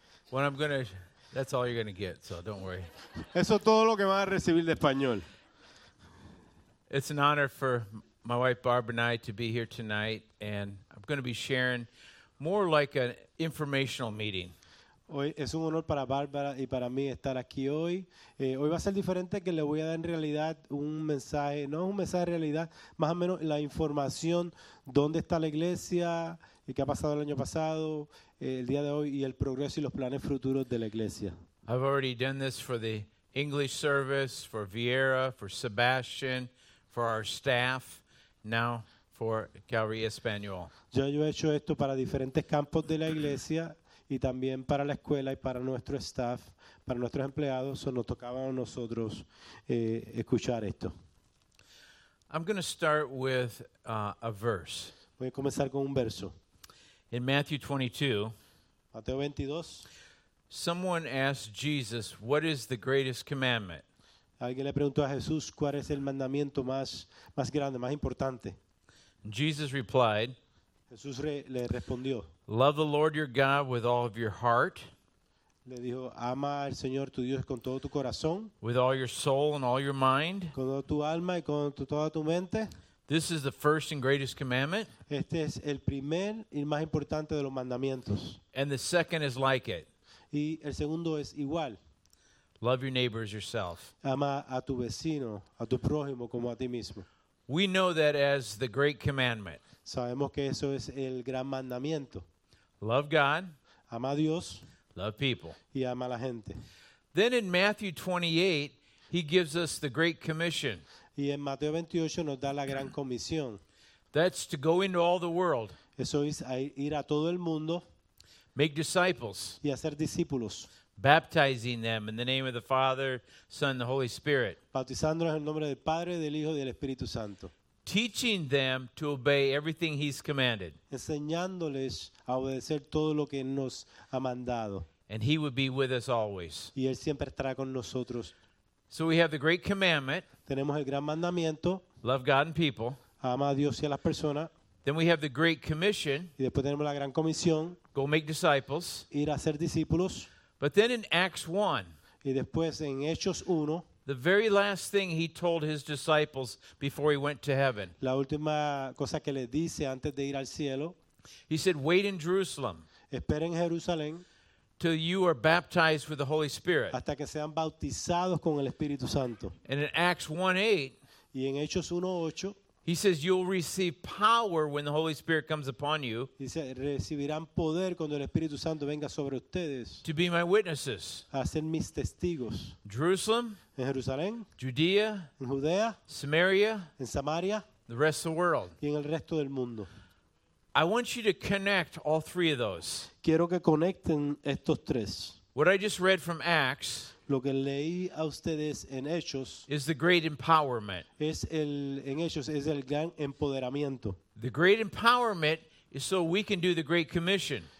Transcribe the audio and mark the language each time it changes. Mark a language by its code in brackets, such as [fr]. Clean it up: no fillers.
[en] What I'm gonna, that's all you're gonna get, so don't worry. [es] Eso es todo lo que vas a recibir de español. [en] It's an honor for my wife Barb and I to be here tonight, and I'm gonna be sharing more like an informational meeting. [es] Hoy es un honor para Bárbara y para mí estar aquí hoy. Hoy va a ser diferente, que le voy a dar en realidad un mensaje, no es un mensaje de realidad, más o menos la información, dónde está la iglesia, y qué ha pasado el año pasado, el día de hoy, y el progreso y los planes futuros de la iglesia. [en] I've already done this for the English service, for Viera, for Sebastian, for our staff, now for Calvary Español. [es] Yo he hecho esto para diferentes campos de la iglesia, y también para la escuela y para nuestro staff, para nuestros empleados, o nos tocaba a nosotros escuchar esto. [en] I'm going to start with a verse. [es] Voy a comenzar con un verso. [en] In Matthew 22, [es] Mateo 22, [en] someone asked Jesus, "What is the greatest commandment?" [es] Alguien le preguntó a Jesús, ¿cuál es el mandamiento más grande, más importante? [en] Jesus replied, [es] Jesús le respondió, [en] "Love the Lord your God with all of your heart." [es] Le dijo, ama al Señor tu Dios con todo tu corazón. [en] With all your soul and all your mind. [es] Con toda tu alma y con toda tu mente. [en] This is the first and greatest commandment. [es] Este es el primer y más importante de los mandamientos. [en] And the second is like it. [es] Y el segundo es igual. [en] Love your neighbor as yourself. [es] Ama a tu vecino, a tu prójimo como a ti mismo. [en] We know that as the great commandment. [es] Sabemos que eso es el gran mandamiento. [en] Love God. [es] Ama a Dios. [en] Love people. [es] Y ama a la gente. [en] Then in Matthew 28, he gives us the great commission. [es] Y en Mateo 28 nos da la gran comisión. [en] That's to go into all the world. [es] Eso es ir a todo el mundo. [en] Make disciples. [es] Y hacer discípulos. [en] Baptizing them in the name of the Father, Son, and the Holy Spirit. [es] Bautizándolos en el nombre del Padre, del Hijo y del Espíritu Santo. [en] Teaching them to obey everything He's commanded. [es] Enseñándoles a obedecer todo lo que nos ha mandado. [en] And He would be with us always. [es] Y Él siempre estará con nosotros. [en] So we have the great commandment. [es] Tenemos el gran mandamiento. [en] Love God and people. [es] Ama a Dios y a las personas. [en] Then we have the great commission. [es] Y después tenemos la gran comisión. [en] Go make disciples. [es] Ir a hacer discípulos. [en] But then in Acts 1. [es] Y después en Hechos 1. [en] The very last thing he told his disciples before he went to heaven. [es] La última cosa que le dice antes de ir al cielo. [en] He said, "Wait in Jerusalem. [es] Esperen en Jerusalén. [en] Till you are baptized with the Holy Spirit." [es] Hasta que sean bautizados con el Espíritu Santo. [en] And in Acts 1:8. [es] Y en Hechos 1:8. [en] He says, "You'll receive power when the Holy Spirit comes upon you." [es] Dice, recibirán poder cuando el Espíritu Santo venga sobre ustedes. [en] To be my witnesses. [es] A ser mis testigos. [en] Jerusalem. [es] En Jerusalén. [en] Judea. [es] En Judea. [en] Samaria. [es] En Samaria. [en] The rest of the world. [es] Y en el resto del mundo. [en] I want you to connect all three of those. [es] Quiero que conecten estos tres. [en] What I just read from Acts. [es] Lo que leí a ustedes en Hechos [en] is the great empowerment. [es] Es el, en Hechos es el gran empoderamiento. [en] The great empowerment is so we can do the great commission.